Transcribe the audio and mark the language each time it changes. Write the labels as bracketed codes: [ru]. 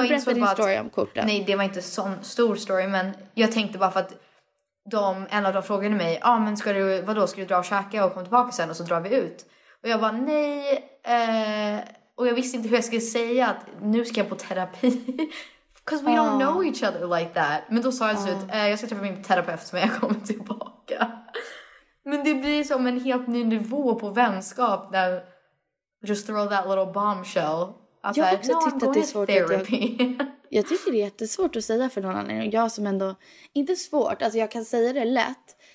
[sv] berättade insåg din bara story att, om korten. Nej, det var inte sån stor story. Men jag tänkte bara för att en av dem frågade mig. Ja, men ska du dra och käka och komma tillbaka sen? Och så drar vi ut. Och jag bara, nej. Och jag visste inte hur jag skulle säga att nu ska jag på terapi. [en] Because we don't know each other like that. [sv] Men då sa jag så att jag ska träffa min terapeut när jag kommer tillbaka. Men det blir som en helt ny nivå på vänskap. Där, [en] just throw that little bombshell. [sv] Alltså, jag har också tyckt att det är svårt. Jag tycker det är jättesvårt att säga för någon annan. Jag som ändå, inte svårt. Alltså jag kan säga det lätt.